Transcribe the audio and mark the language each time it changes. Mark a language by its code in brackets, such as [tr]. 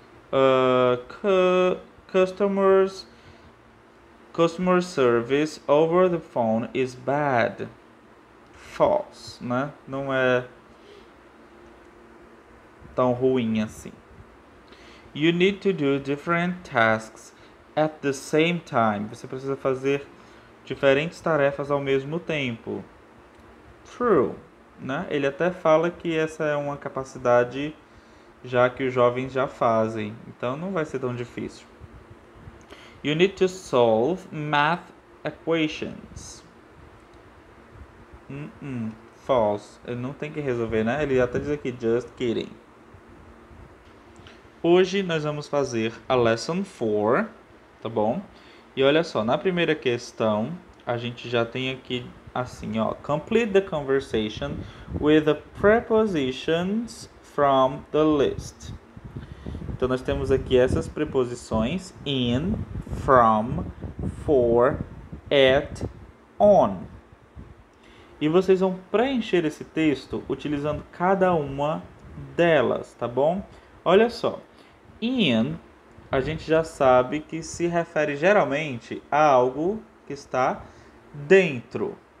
[en] Customer service over the phone is bad. [pt] False, né? Não é tão ruim assim. [en] You need to do different tasks at the same time. [pt] Você precisa fazer diferentes tarefas ao mesmo tempo. True, né? Ele até fala que essa é uma capacidade já que os jovens já fazem. Então não vai ser tão difícil. [en] You need to solve math equations. [pt] False. Ele não tem que resolver, né? Ele até diz aqui, [en] just kidding. [pt] Hoje nós vamos fazer a lesson 4, tá bom? E olha só, na primeira questão, a gente já tem aqui assim, ó. [en] Complete the conversation with the prepositions from the list. [pt] Então nós temos aqui essas preposições: in, from, for, at, on. E vocês vão preencher esse texto utilizando cada uma delas, tá bom? Olha só. In, a gente já sabe que se refere geralmente a algo que está dentro.